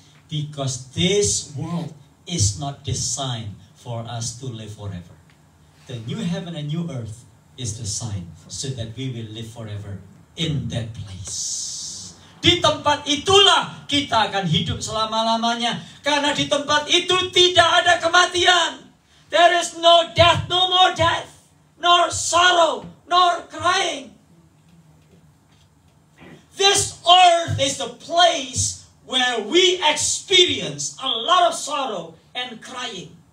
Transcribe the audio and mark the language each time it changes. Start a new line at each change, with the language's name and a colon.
English: Because this world is not designed for us to live forever. The new heaven and new earth is the sign so that we will live forever in that place.
Indonesian: Di tempat itulah kita akan hidup selama-lamanya, karena di tempat itu tidak ada kematian.
English: There is no death, no more death, nor sorrow, nor crying. This earth is the place where we experience a lot of sorrow and crying.